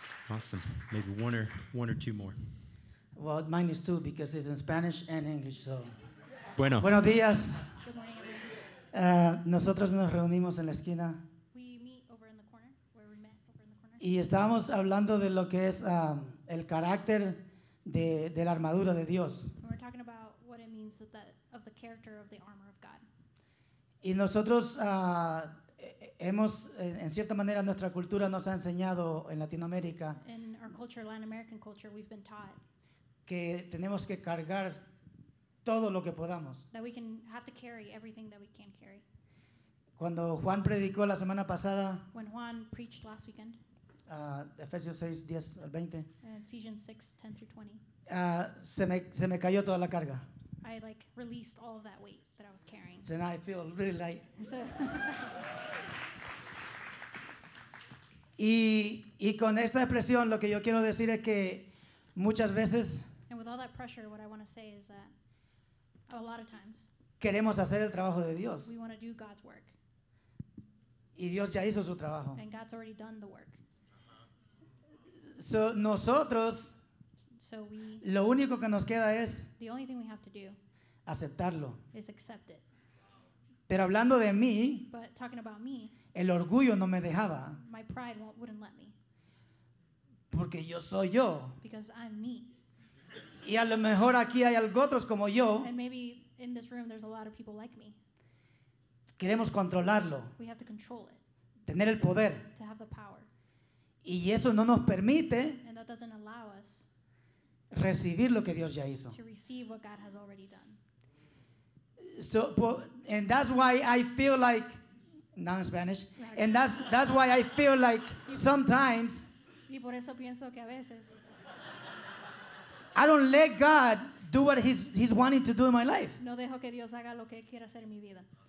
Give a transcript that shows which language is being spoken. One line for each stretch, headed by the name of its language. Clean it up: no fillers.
English: Awesome. Maybe one or two more. Well, mine is two because it's in Spanish and English, so.
Spanish: Bueno. Buenos días.
English: Good morning.
Spanish: Nosotros nos reunimos en la esquina.
English: We meet over in the corner, where we met over in the corner.
Spanish: Y estábamos hablando de lo que es el carácter de la armadura de Dios.
English: And we're talking about what it means of the character of the armor of God.
Spanish: Y nosotros hemos, en cierta manera, nuestra cultura nos ha enseñado en Latinoamérica.
English: In our culture, Latin American culture, we've been taught
Spanish: que tenemos que cargar todo lo que podamos.
English: That we can have to carry everything that we can carry.
Spanish: Cuando Juan predicó la semana pasada,
English: when Juan preached last weekend,
Spanish: Efesios 6, 10 al 20,
English: Ephesians 6, 10 through 20,
Spanish: se me cayó toda la carga.
English: I like released all of that weight that I was carrying. So now I feel really light. So
Spanish: y con esta expresión lo que yo quiero decir es que muchas veces,
English: and with all that pressure, what I want to say is that a lot of times
Spanish: queremos hacer el trabajo de Dios.
English: We want to do God's work.
Spanish: Y Dios ya hizo su trabajo.
English: And God's already done the work.
Spanish: So nosotros, lo único que nos queda es,
English: the only thing we have to do,
Spanish: aceptarlo.
English: Is accept it.
Spanish: Pero hablando de mí,
English: but talking about me,
Spanish: el orgullo no me dejaba.
English: My pride wouldn't let me.
Spanish: Porque yo soy yo.
English: Because I'm me.
Spanish: Y a lo mejor aquí hay otros como yo.
English: And maybe in this room there's a lot of people like me.
Spanish: Queremos controlarlo.
English: We have to control it.
Spanish: Tener el poder.
English: To have the power.
Spanish: Y eso no nos permite,
English: and that doesn't allow us,
Spanish: recibir lo que Dios ya hizo.
English: To receive what God has already done. So, and that's why I feel like, not in Spanish, and that's why I feel like sometimes,
Spanish: Y por eso pienso que a veces.
English: I don't let God do what he's wanting to do in my life.
Spanish: No dejo que Dios haga lo que quiera hacer en mi vida.